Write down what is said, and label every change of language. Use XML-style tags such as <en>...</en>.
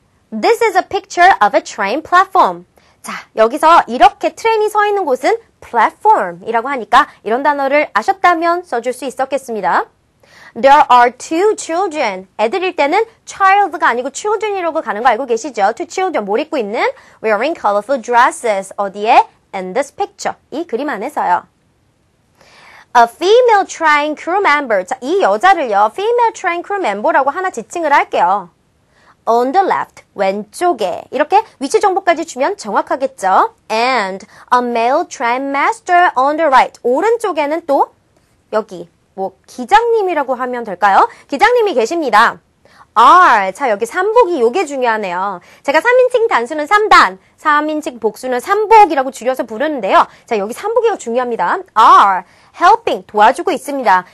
<en>This is a picture of a train platform.</en> <ko>자, 여기서 이렇게 트레인이 서 있는 곳은 platform이라고 하니까 이런 단어를 아셨다면 써줄 수 있었겠습니다.</ko> <en>There are two children.</en> <ko>애들일 때는 child가 아니고 children이라고 가는 거 알고 계시죠?</ko> <en>Two children,</en> <ko>뭘 입고 있는?</ko> <en>Wearing colorful dresses.</en> <ko>어디에?</ko> <en>In this picture.</en> <ko>이 그림 안에서요.</ko> <en>A female train crew member.</en> <ko>자, 이 여자를요,</ko> <en>female train crew member라고</en> <ko>하나 지칭을 할게요.</ko> <en>On the left,</en> <ko>왼쪽에. 이렇게 위치 정보까지 주면 정확하겠죠?</ko> <en>And a male train master on the right.</en> <ko>오른쪽에는 또 여기, 뭐 기장님이라고 하면 될까요? 기장님이 계십니다. Are, 자, 여기 삼복이 요게 중요하네요. 제가 3인칭 단수는 3단, 3인칭 복수는 삼복이라고 줄여서 부르는데요. 자, 여기 삼복이가 중요합니다.</ko> <en>Are, helping,</en> <ko>도와주고 있습니다.</ko>